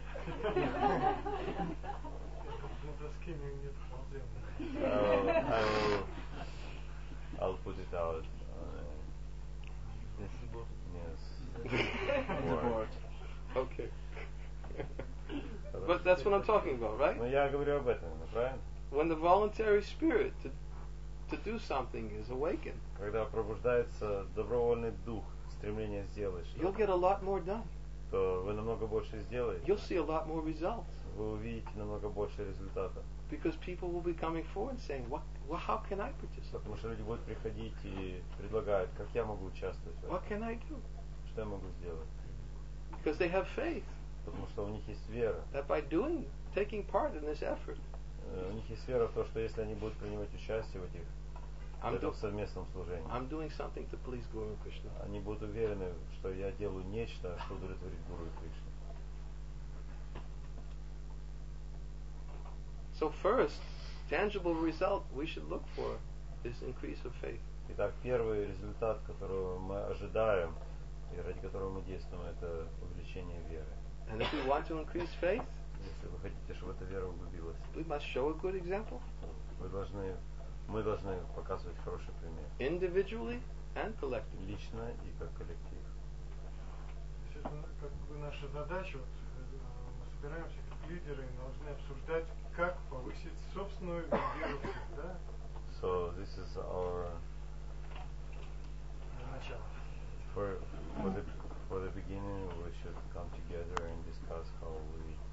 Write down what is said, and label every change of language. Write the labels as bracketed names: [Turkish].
[Russian] На доске у меня нет проблем. [English] I'll put it out. This board. Yes. Board. Okay. But that's what I'm talking about, right? [Russian] Но я говорю об этом, правильно? [English] When the voluntary spirit to do something is awakened. [Russian] Когда пробуждается добровольный дух, стремление сделать что-то. [English] You'll get a lot more done. [Russian] То вы намного больше сделаете. [English] You'll see a lot more results. [Russian] Вы увидите намного больше результата. [English] Because people will be coming forward and saying, "What? Well, how can I participate?" [Russian] Потому что люди будут приходить и предлагать, как я могу участвовать. [English] What can I do? [Russian] Что я могу сделать? [English] Because they have faith. [Russian] Потому что у них есть вера. [English] That by doing, taking part in this effort. [Russian] У них есть вера в то, что если они будут принимать участие в этих совместном служении, [English] I'm doing something to please Guru Krishna. [Russian] Они будут уверены, что я делаю нечто, что удовлетворит Гуру Кришну. [English] So first, tangible result we should look for is increase of faith. [Russian] Итак, первый результат, которого мы ожидаем и ради которого мы действуем, это увеличение веры. [English] And if we want to increase faith, [Russian] если вы хотите, чтобы эта вера углубилась, [English] we must show a good example. [Russian] Мы должны показывать хороший пример. [English] Individually and collectively. [Russian] Лично и как коллектив. То есть это как бы наша задача, вот мы собираемся как лидеры и должны обсуждать, как повысить собственную веру, да? [English] So this is our [Russian] начало. [English] For the beginning we should come together and discuss how we